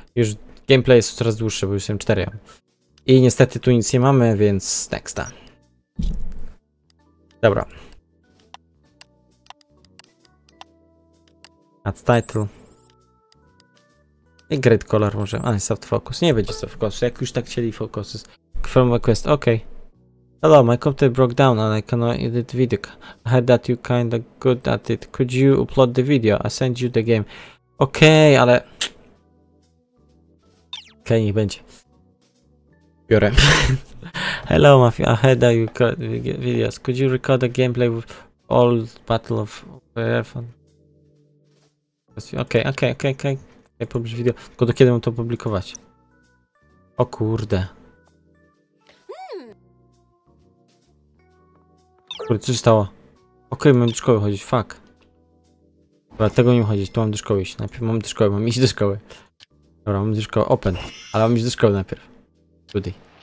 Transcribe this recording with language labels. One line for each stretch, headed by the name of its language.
Polish: Już gameplay jest coraz dłuższy, bo już jestem 4. I niestety tu nic nie mamy, więc nexta. Dobra.
English: Add title.
Polish: I grid color może, a soft focus. Nie będzie soft focus, jak już tak chcieli focuses.
English: From a quest, okej. Okay. Hello, my computer broke down and I cannot edit video. I heard that you kinda good at it. Could you upload the video? I send you the game. Okej, okay, ale...
Polish: Okej, okay, niech będzie. Biorę.
English: Hello Mafia, I heard that you record videos. Could you record the gameplay with all Battle of Verifon?
Polish: Okej. Ja publikuję video. Tylko do kiedy mam to opublikować? O kurde. Kurde, co się stało? Okej, mam do szkoły chodzić, fuck. Dlatego nie mam chodzić, tu mam do szkoły iść. Najpierw mam do szkoły, mam iść do szkoły. Dobra, mam do szkoły, open. Ale mam iść do szkoły najpierw. Tutaj.